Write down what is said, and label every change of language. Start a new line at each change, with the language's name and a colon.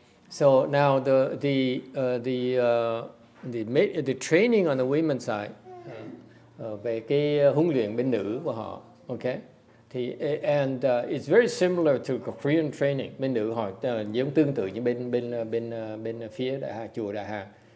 English: So now the training on the women's side,
Vietnamese: về cái huấn luyện bên nữ của họ,
English: okay. Thì and it's very similar to Korean training.
Vietnamese: Bên nữ họ giống tương tự như bên phía Đại Hà, chùa Đại Hà.